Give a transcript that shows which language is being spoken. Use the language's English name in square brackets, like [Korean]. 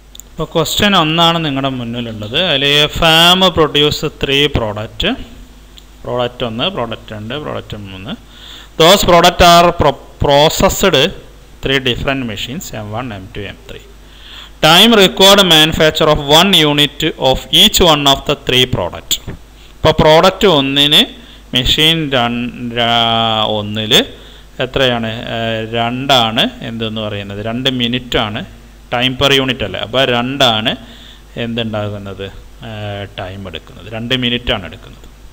[Malayalam] ഇപ്പോൾ ക്വസ്റ്റ്യൻ ഒന്നാണ് നിങ്ങളുടെ മുന്നിലുള്ളത്. അതിൽ [English] farm produce three product, [Malayalam] product ഒന്ന്, പ്രോഡക്റ്റ് രണ്ട്, പ്രോഡക്റ്റ് മൂന്ന്. [English] Those product are processed three different machines M one, M two, M three. Time required manufacture of one unit of each one of the three product. [Malayalam] ഇപ്പോൾ product ഒന്നിന് machine രണ്ട് ഒന്നിൽ എത്രയാണ്, രണ്ടാണ് എന്തെന്ന് പറയുന്നത്, രണ്ട് മിനിറ്റാണ് ടൈം പെർ യൂണിറ്റ് അല്ലേ. അപ്പോൾ രണ്ടാണ് എന്തുണ്ടാകുന്നത്, ടൈം എടുക്കുന്നത്, രണ്ട് മിനിറ്റാണ് എടുക്കുന്നത്.